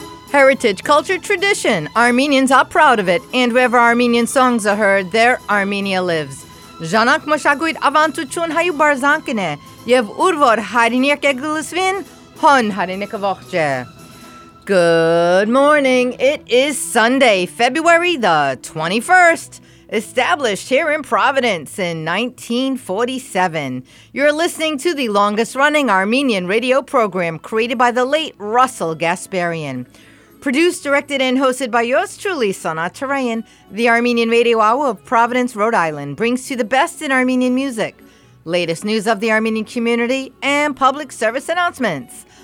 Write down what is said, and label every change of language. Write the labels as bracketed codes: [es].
[en] Heritage, culture, tradition. Armenians are proud of it. And wherever Armenian songs are heard, there Armenia lives. [hy] Ժանակ մշակույթ ավանդություն հայու բարձանքն է, եւ ուր որ հայրենիք է գլուսվին, հոն հայրենիք ողջ է. [en] Good morning. It is Sunday, February the 21st. Established here in Providence in 1947. You're listening to the longest-running Armenian radio program created by the late Russell Gasparian. Produced, directed, and hosted by yours truly, Sanat Tarayan, the Armenian Radio Hour of Providence, Rhode Island, brings you the best in Armenian music, latest news of the Armenian community, and public service announcements.